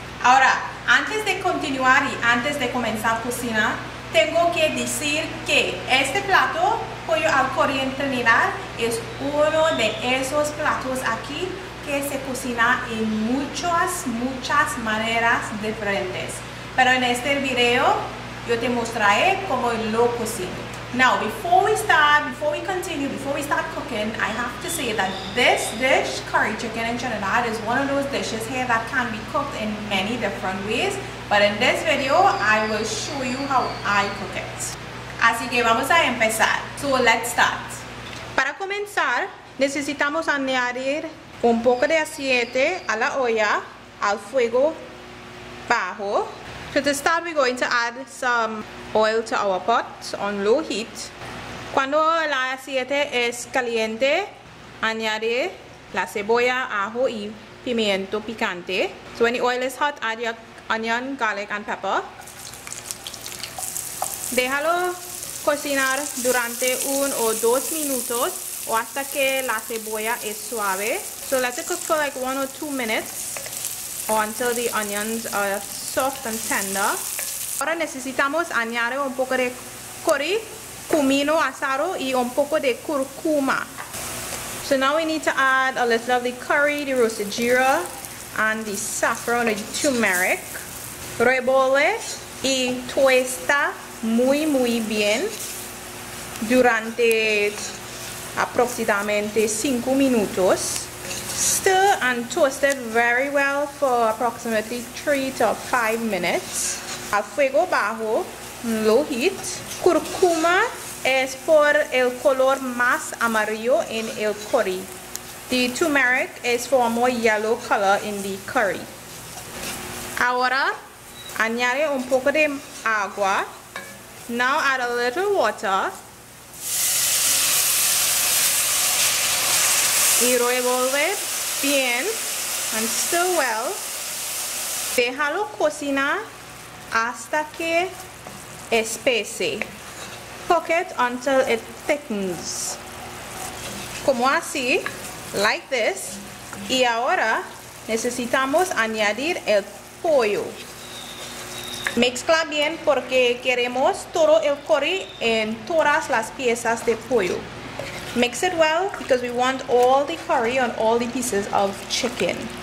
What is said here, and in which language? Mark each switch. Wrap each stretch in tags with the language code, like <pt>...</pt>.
<es>Ahora, antes de continuar y antes de comenzar a cocinar, tengo que decir que este plato, pollo al curry en Trinidad, es uno de esos platos aquí que se cocina en muchas, muchas maneras diferentes. Pero en este video, yo te mostraré cómo lo cocino.</es> <en>Now, before we start cooking, I have to say that this dish, curry chicken in Trinidad, is one of those dishes here that can be cooked in many different ways. But in this video, I will show you how I cook it.</en> <es>Así que vamos a empezar.</es> <en>So let's start.</en> <es>Para comenzar, necesitamos añadir un poco de aceite a la olla al fuego bajo.</es> <en>So to start, we're going to add some oil to our pot on low heat.</en> <es>Cuando el aceite es caliente, añade la cebolla, ajo y pimiento picante.</es> <en>So when the oil is hot, add your onion, garlic and pepper.</en> <es>Déjalo cocinar durante 1 o 2 minutos o hasta que la cebolla es suave.</es> <en>So let it cook for like 1 or 2 minutes or until the onions are soft and tender.</en> <es>Ahora necesitamos añadir un poco de curry, cumino asado y un poco de cúrcuma.</es> <en>So now we need to add a little of the curry, the roasted jeera, and the saffron, the turmeric.</en> <es>Revolve y tuesta muy muy bien durante aproximadamente 5 minutos.</es> <en>Stir and toast it very well for approximately 3 to 5 minutes.</en> <es>A fuego bajo,</es> <en>low heat.</en> <es>Cúrcuma es por el color más amarillo en el curry.</es> <en>The turmeric is for a more yellow color in the curry.</en> <es>Ahora, añade un poco de agua.</es> <en>Now add a little water.</en> <es>Y revolve bien</es> <en>and stir well.</en> <es>Déjalo cocinar hasta que espese.</es> <en>Cook it until it thickens.</en> <es>Como así,</es> <en>like this.</en> <es>Y ahora necesitamos añadir el pollo. Mezcla bien porque queremos todo el curry en todas las piezas de pollo.</es> <en>Mix it well because we want all the curry on all the pieces of chicken.</en>